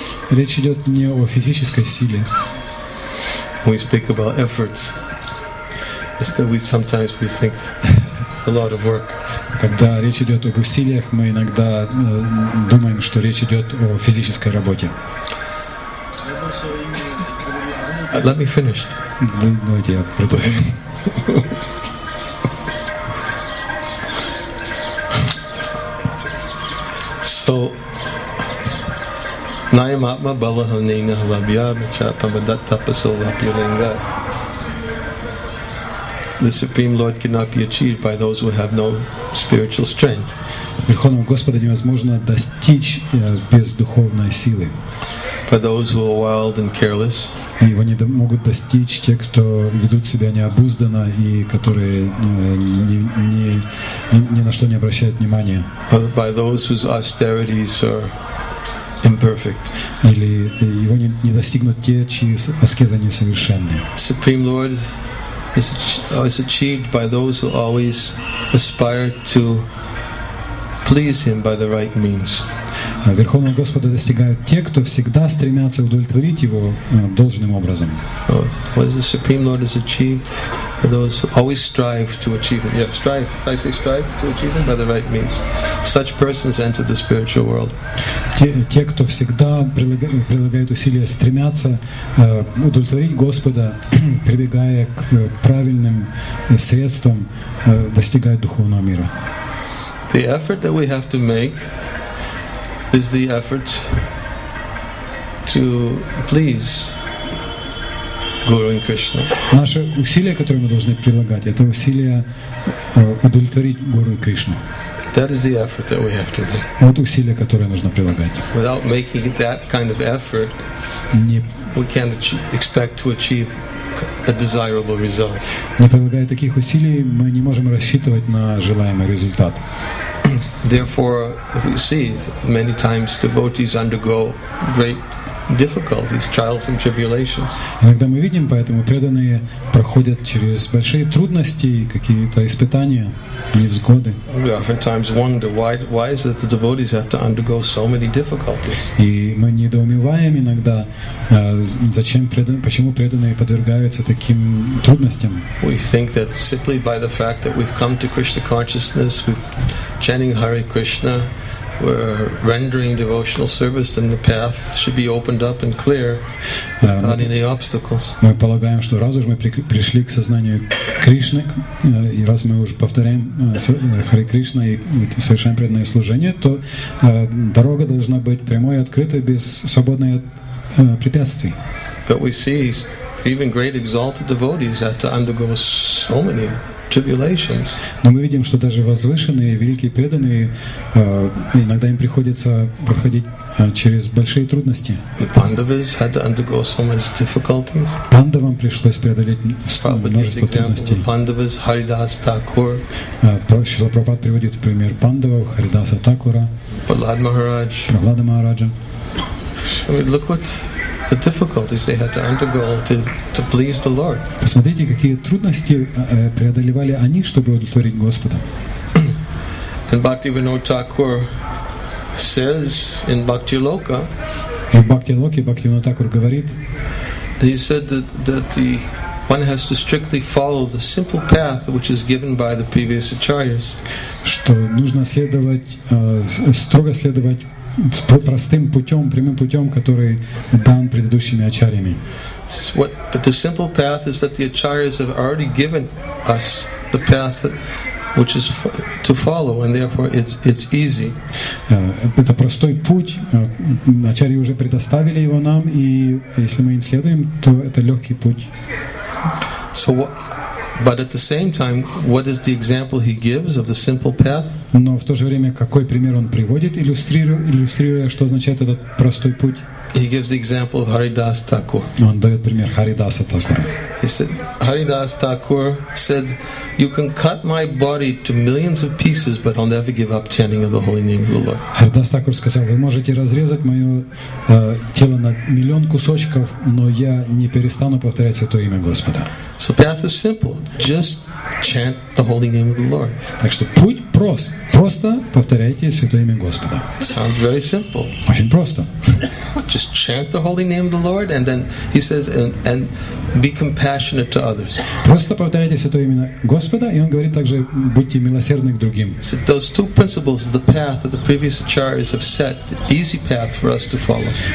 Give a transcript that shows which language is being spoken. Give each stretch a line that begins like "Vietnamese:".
Russian: Речь идет не о физической силе.
English: We speak about efforts. It's that we sometimes we think a lot of work.
Russian: Когда речь идет об усилиях, мы иногда думаем, что речь идет о физической работе.
English: Let me finish. No idea.
Sanskrit: So, Nayamatma Balahanina Halabhyabha Chapamadat Tapasovapyalinga.
English: The Supreme Lord cannot be achieved by those who have no spiritual strength.
Russian: Верховного Господа невозможно достичь без духовной силы.
English: By those who are wild and careless.
Russian: Его не могут достичь те, кто ведут себя необузданно и которые ни на что не обращают внимания.
English: By those whose austerities are imperfect.
Russian: Или его не достигнут те, чьи аскезы несовершенны.
English: Supreme Lord is achieved by those who always aspire to please Him by the right means.
Russian: Верховного Господа достигают те, кто всегда стремятся удовлетворить Его должным образом.
English: What is the Supreme Lord has achieved by those who always strive to achieve Him? Yeah, strive. I say strive to achieve Him by the right means. Such persons enter the spiritual world.
Russian: Те, кто всегда прилагают усилия, стремятся удовлетворить Господа, прибегая к правильным средствам, достигают духовного мира.
English: The effort that we have to make is the effort to please Guru and Krishna.
Russian: Наше усилие, которое мы должны прилагать, это усилие удовлетворить Гуру и Кришну.
English: That is the effort that we have to make.
Russian: Вот усилие, которое нужно прилагать.
English: Without making that kind of effort, we can't expect to achieve a desirable result.
Russian: Не прилагая таких усилий, мы не можем рассчитывать на желаемый результат.
English: Therefore, if we see, many times devotees undergo great difficulties, trials and tribulations.
Russian: Иногда мы видим, поэтому преданные проходят через большие трудности, какие-то испытания, невзгоды.
English: We oftentimes wonder why is it the devotees have to undergo so many difficulties?
Russian: И мы недоумеваем иногда, зачем почему преданные подвергаются таким трудностям?
English: We think that simply by the fact that we've come to Krishna consciousness, we've chanting Hare Krishna, were rendering devotional service, then the path should be opened up and clear, not any obstacles.
Russian: Мы полагаем, что раз уж мы пришли к сознанию Кришны, и раз мы уже повторяем Харе Кришна и совершаем преданное служение, то дорога должна быть прямой, открытой, без свободной от препятствий.
English: But we see even great exalted devotees have to undergo so many tribulations.
Russian: Но мы видим, что даже возвышенные, великие преданные, иногда им приходится проходить через большие трудности.
English: The Pandavas had to undergo so much difficulties.
Russian: Пандавам пришлось преодолеть множество трудностей.
English: The Pandavas, Haridas Thakur.
Russian: Шрила Прабхупада приводит пример Пандавов, Харидаса Такура. Прахлад Махарадж. Прахлада Махараджа.
English: I mean, look what the difficulties they had to undergo to please the Lord.
Russian: Посмотрите, какие трудности преодолевали они, чтобы удовлетворить Господа.
English: And Bhaktivinoda Thakur says in Bhakti Loka.
Russian: И в Бхакти Локе Бхактивинода Такур говорит.
English: He said that the one has to strictly follow the simple path which is given by the previous acharyas. Что нужно следовать строго следовать простым путем, прямым путем, который дан предыдущими ачарьями. But the simple path is that the acharyas have already given us the path which is to follow, and therefore it's easy.
Russian: Это простой путь. Ачарьи уже предоставили его нам, и если мы им следуем, то это легкий путь.
English: So what? But at the same time, what is the example he gives of the simple path?
Russian: Но в то же время какой пример он приводит, иллюстрируя, что означает этот простой путь?
English: He gives the example of Haridas Thakur.
Russian: Он дает пример Харидаса Такура.
English: He said, Haridas Thakur said, "You can cut my body to millions of pieces, but I'll never give up chanting of the holy name of the Lord."
Russian: Харидас Такур сказал, вы можете разрезать мое тело на миллион кусочков, но я не перестану повторять святое имя Господа.
English: So path is simple. Just chant the holy name of the Lord.
Russian: Так что путь прост. Просто повторяйте святое имя Господа.
English: Sounds very simple.
Russian: Очень просто.
English: Just chant the holy name of the Lord, and then he says, and be compassionate to others.
Russian: Просто повторяйте святое имя Господа, и он говорит также будьте милосердны к другим.
English: So those two principles, the path that the previous acharyas have set, the easy path for us to follow.